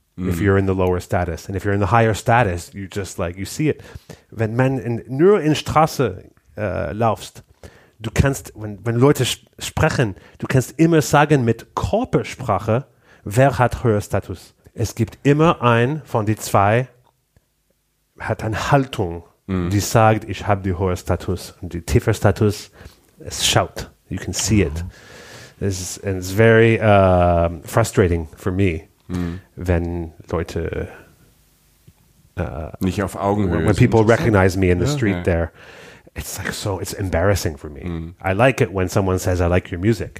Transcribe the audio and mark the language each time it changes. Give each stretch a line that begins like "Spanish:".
English: if you're in the lower status. And if you're in the higher status, you just like, you see it.
German: Wenn man nur in Straße laufst, du kannst, wenn Leute sprechen, du kannst immer sagen mit Körpersprache, wer hat höher Status. Es gibt immer einen von den zwei, hat eine Haltung, die sagt, ich habe den höheren Status. Und der tiefer Status, es schaut.
English: You can see it. It's very frustrating for me,
German: wenn Leute nicht auf Augenhöhe.
English: When people recognize me in the street there. It's like so, it's embarrassing for me. I like it when someone says, I like your music.